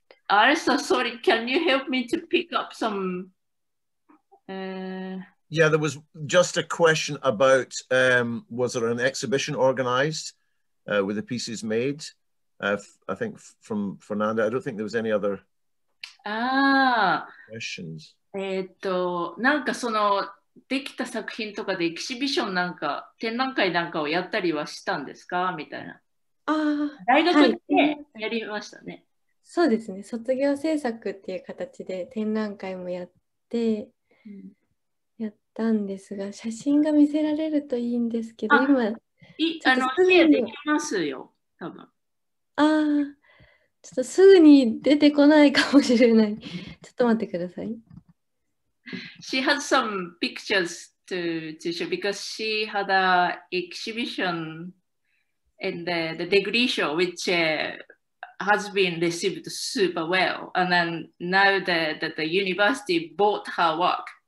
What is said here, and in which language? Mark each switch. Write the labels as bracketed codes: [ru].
[en] Arisa, sorry, can you help me to pick up some... Yeah, there was just a question about, was there an exhibition organized with the pieces made? I think from Fernanda, I don't think there was any other questions. [ja] なんかそのできた作品とかでエキシビションなんか展覧会なんかをやったりはしたんですかみたいな。あ、大学で、はい、やりましたね。そうですね、卒業制作っていう形で展覧会もやって、うん、やったんですが、写真が見せられるといいんですけど、あ、今あのすぐにできますよ、多分。ああ、ちょっとすぐに出てこないかもしれない。ちょっと待ってください。 [en] She has some pictures to show because she had an exhibition in the degree show whichhas been received super well, and then now the university bought her work,